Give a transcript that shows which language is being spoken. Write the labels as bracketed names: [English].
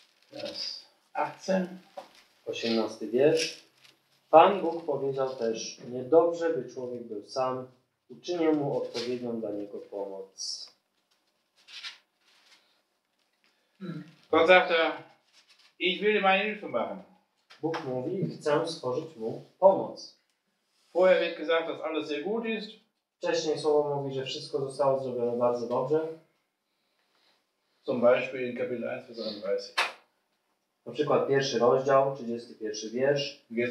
[Polish] Teraz 18. 18 wiersz. Pan Bóg powiedział też, niedobrze by człowiek był sam, uczynię mu odpowiednią dla niego pomoc. [German] Gott sagte, ich will ihm eine Hilfe machen. [Polish] Bóg mówi, chcę stworzyć mu pomoc. [German] Vorher wird gesagt, dass alles sehr gut ist. [Polish] Wcześniej słowo mówi, że wszystko zostało zrobione bardzo dobrze. [German] Zum Beispiel in Kapitel 1, Vers 31. [Polish] Na przykład pierwszy rozdział, 31 wiersz.